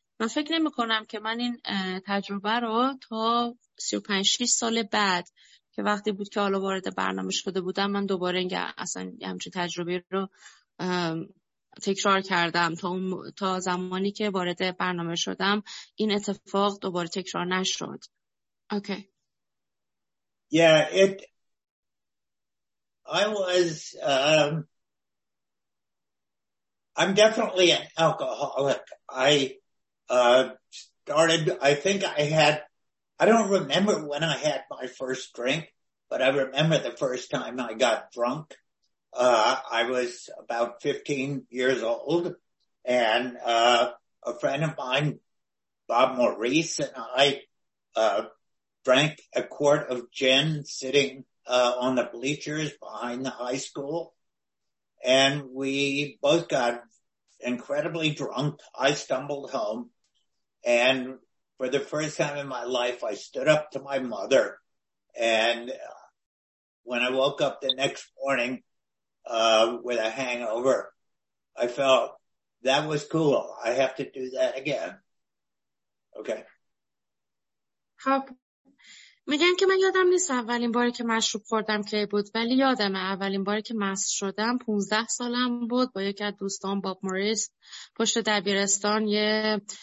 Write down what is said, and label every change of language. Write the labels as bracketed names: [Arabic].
[Persian] من فکر نمی کنم که من این تجربه رو تا 35-6 سال بعد که وقتی بود که حالا وارد برنامه شده بودم من دوباره اصلا همچین تجربه رو تکرار کردم. تا زمانی که وارد برنامه شدم این اتفاق دوباره تکرار نشد. [English] Okay. Yeah, it I was I'm definitely an alcoholic. I started, I think I had, I don't remember when I had my first drink, but I remember the first time I got drunk. I was about 15 years old, and a friend of mine, Bob Maurice, and I drank a quart of gin sitting on the bleachers behind the high school, and we both got incredibly drunk. I stumbled home, and for the first time in my life, I stood up to my mother, and when I woke up the next morning, with a hangover, I felt that was cool. I have to do that again. Okay. [Persian] خب میگن که من یادم نیست اولین باری که مشروب خوردم کی بود، ولی یادم اولین باری که مست شدم 15 سالم بود با یکی از دوستان باب موریس پشت دبیرستان. یه